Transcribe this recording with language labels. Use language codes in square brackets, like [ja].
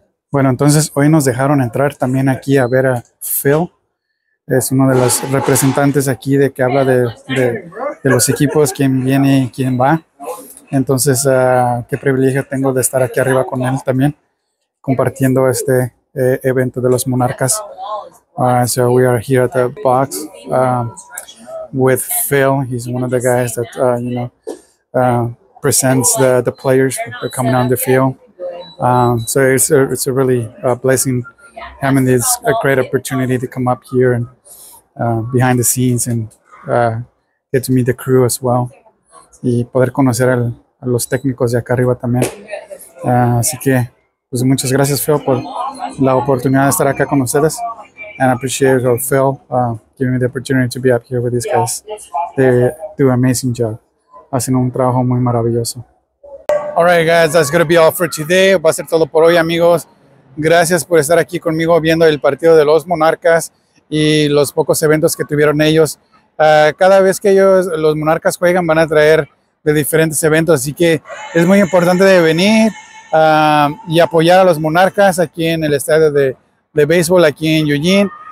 [es] Bueno, entonces hoy nos dejaron entrar también aquí a ver a Phil. Es uno de los representantes aquí de que habla de los equipos, quién viene y quién va. Entonces, qué privilegio tengo de estar aquí arriba con él también, compartiendo este evento de los Monarcas. [en] So we are here at the box with Phil. He's one of the guys that presents the players that are coming on the field. So it's a really blessing having this a great opportunity to come up here and behind the scenes and get to meet the crew as well [es] y poder conocer a los técnicos de acá arriba también. Así que pues muchas gracias Phil por la oportunidad de estar acá con ustedes, [en] and I appreciate Phil giving me the opportunity to be up here with these guys. They do an amazing job, [es] hacen un trabajo muy maravilloso. [en] All right, guys, that's going to be all for today. [es] Va a ser todo por hoy, amigos. Gracias por estar aquí conmigo viendo el partido de los Monarcas y los pocos eventos que tuvieron ellos. Cada vez que ellos, los Monarcas juegan, van a traer de diferentes eventos. Así que es muy importante de venir y apoyar a los Monarcas aquí en el estadio de béisbol aquí en Eugene.